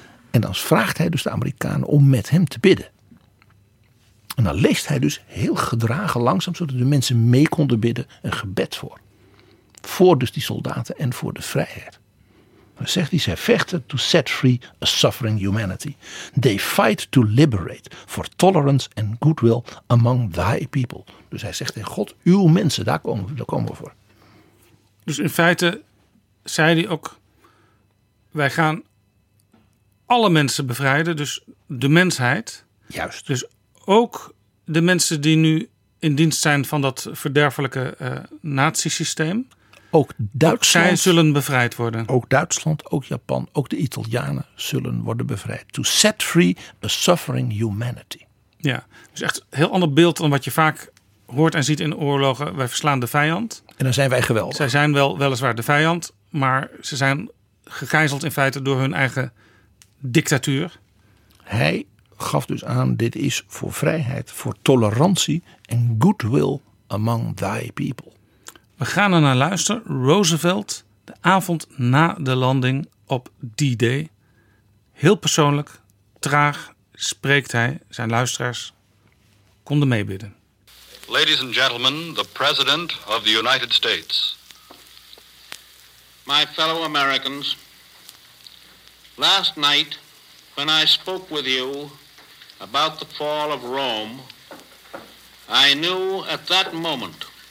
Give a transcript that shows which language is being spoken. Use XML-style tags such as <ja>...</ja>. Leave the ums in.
<nl>En dan vraagt hij dus de Amerikanen om met hem te bidden. En dan leest hij dus heel gedragen langzaam. Zodat de mensen mee konden bidden. Een gebed voor. Voor dus die soldaten en voor de vrijheid zegt hij, zij vechten</nl> <en>to set free a suffering humanity. They fight to liberate for tolerance and goodwill among thy people.</en> <nl>Dus hij zegt in God, uw mensen, daar komen, daar komen we voor. Dus in feite zei hij ook, wij gaan alle mensen bevrijden, dus de mensheid. Juist. Dus ook de mensen die nu in dienst zijn van dat verderfelijke uh, nazisysteem. Ook Duitsland. zij zullen bevrijd worden. Ook Duitsland, ook Japan, ook de Italianen zullen worden bevrijd.</nl> <en>To set free a suffering humanity.</en> <nl>Ja, dus echt een heel ander beeld dan wat je vaak hoort en ziet in de oorlogen. Wij verslaan de vijand. En dan zijn wij geweldig. Zij zijn wel weliswaar de vijand, maar ze zijn gegijzeld in feite door hun eigen dictatuur. Hij gaf dus aan: dit is voor vrijheid, voor tolerantie en</nl> <en>goodwill among thy people.</en> <nl>We gaan er naar luisteren. Roosevelt, de avond na de landing op D-Day. Heel persoonlijk, traag spreekt hij. Zijn luisteraars konden meebidden.</nl> <en>Ladies and gentlemen, the president of the United States. My fellow Americans, last night when I spoke with you about the fall of Rome, I knew at that moment.</en>